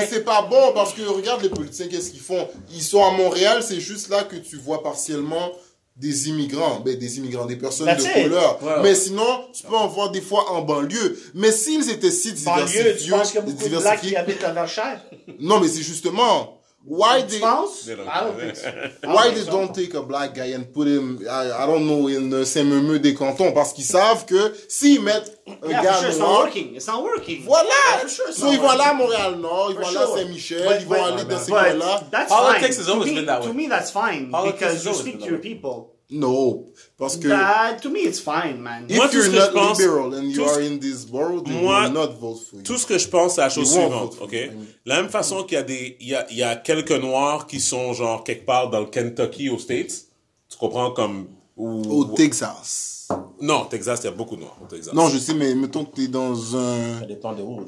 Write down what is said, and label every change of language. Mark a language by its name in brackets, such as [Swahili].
[French] Mais c'est pas bon parce que regarde les politiciens, qu'est-ce qu'ils font? Ils sont à Montréal, c'est juste là que tu vois partiellement des immigrants. Ben, des immigrants, des personnes de couleur. Wow. Mais sinon, tu peux en voir des fois en banlieue. Mais s'ils étaient si diversifiés. Banlieue, tu penses qu'il y a beaucoup de blacks qui habitent à Verchères? Non, mais c'est justement. [English] Why they? I don't think. Why they don't take a black guy and put him? I don't know in [French] Saint-Memeu des Cantons parce qu'ils savent que s'ils mettent un gars noir, [English] it's not working. [French] Voilà. Sure, ils vont là à Montréal Nord, ils vont là à Saint-Michel, ils vont aller dans ces coins-là. [English] That's fine. Politics has always been that way. To me, that's fine because you speak to your people. [French] No, parce que. [English] To me, it's fine, man. If you're not liberal and you are in this world, then you will not vote for you. [French] Tout ce que je pense, c'est la chose suivante, ok? La même façon qu'il y a des, il y a quelques noirs qui sont genre quelque part dans le Kentucky aux States, tu comprends comme au Texas. Non, Texas, il y a beaucoup de noirs au Texas. Non, je sais, mais mettons que t'es dans un. Ça dépend de où.